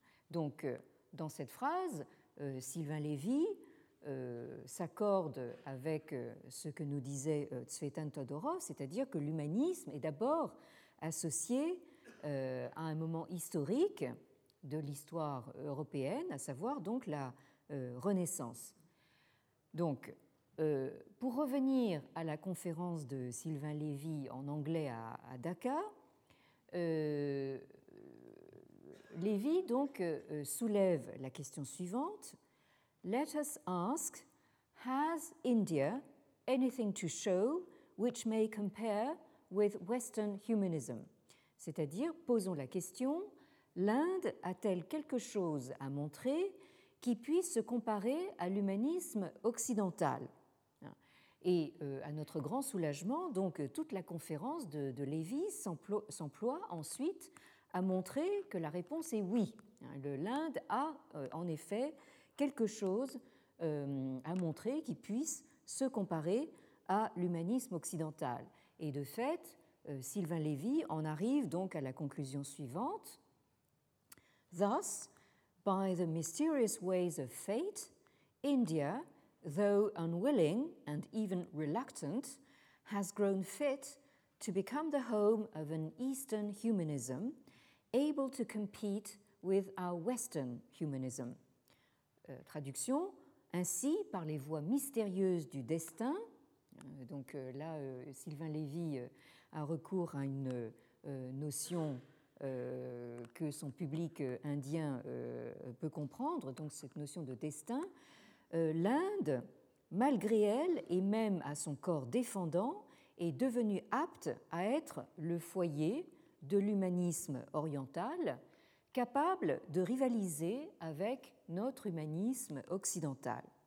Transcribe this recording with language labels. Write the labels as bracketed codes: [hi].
[fr] Donc, dans cette phrase, Sylvain Lévy s'accorde avec ce que nous disait Tsvetan Todorov, c'est-à-dire que l'humanisme est d'abord associé à un moment historique de l'histoire européenne, à savoir donc la Renaissance. Donc, pour revenir à la conférence de Sylvain Lévy en anglais à Dhaka, Lévy donc soulève la question suivante. [en] Let us ask, has India anything to show which may compare with Western humanism? [fr] C'est-à-dire, posons la question, l'Inde a-t-elle quelque chose à montrer qui puisse se comparer à l'humanisme occidental? Et à notre grand soulagement, donc, toute la conférence de Lévy s'emploie ensuite à montrer que la réponse est oui. L'Inde a en effet quelque chose à montrer qui puisse se comparer à l'humanisme occidental. Et de fait, Sylvain Lévy en arrive donc à la conclusion suivante. [en] Thus, by the mysterious ways of fate, India, though unwilling and even reluctant, has grown fit to become the home of an Eastern humanism able to compete with our Western humanism. [fr] Traduction, ainsi, par les voies mystérieuses du destin, donc là, Sylvain Lévy a recours à une notion que son public indien peut comprendre, donc cette notion de destin, l'Inde, malgré elle et même à son corps défendant, est devenue apte à être le foyer de l'humanisme oriental, capable de rivaliser avec notre humanisme occidental.